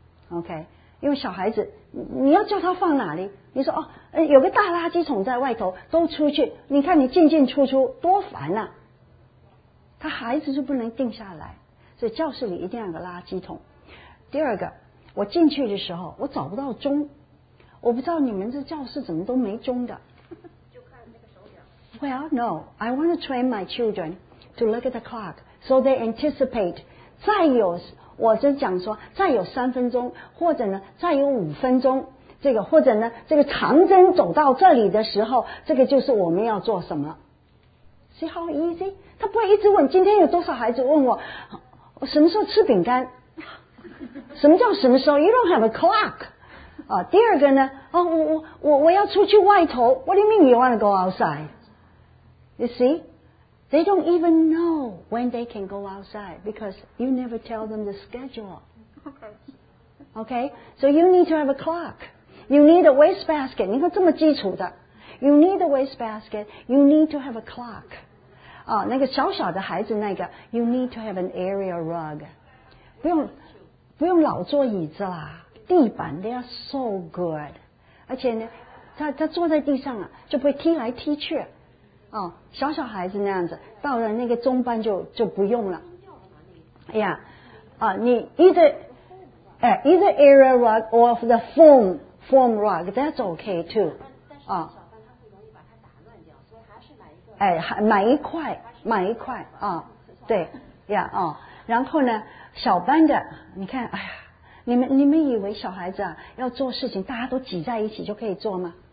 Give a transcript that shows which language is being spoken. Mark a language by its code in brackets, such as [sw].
[zh] OK, 因为小孩子你要叫他放哪里，你说哦，有个大垃圾桶在外头，都出去，你看你进进出出多烦啊，他孩子就不能定下来。所以教室里一定要有个垃圾桶。第二个，我进去的时候我找不到钟，我不知道你们这教室怎么都没钟的，就看那个手表。 [en] Well, no, I want to train my children to look at the clock so they anticipate. [zh] 再有我就讲说再有三分钟，或者呢再有五分钟，这个或者呢这个长针走到这里的时候，这个就是我们要做什么。 [en] See how easy? [zh] 他不会一直问今天有多少孩子问我什么时候吃饼干，什么叫什么时候？ [en] You don't have a clock、 [zh] 啊、第二个呢、啊、我要出去外头。 [en] What do you mean you want to go outside? You see? They don't even know when they can go outside because you never tell them the schedule. Okay, so you need to have a clock. You need a waste basket. [zh] 你看这么基础的。 [en] You need a waste basket. You need to have a clock.、 [zh] 那个小小的孩子那个 [en] you need to have an area rug. [zh] 不用老坐椅子啦。地板 [en] they are so good. [zh] 而且呢 他坐在地上、啊、就不会踢来踢去。哦、小小孩子那样子到了那个中班就不用了。 [en] 哎呀、yeah, 你 either area rug or the foam rug, that's okay too. [zh] 但是小班他会容易把它打乱掉，所以还是买一块、哦、对呀、yeah, 哦、然后呢小班的你看哎呀，你们以为小孩子啊要做事情大家都挤在一起就可以做吗？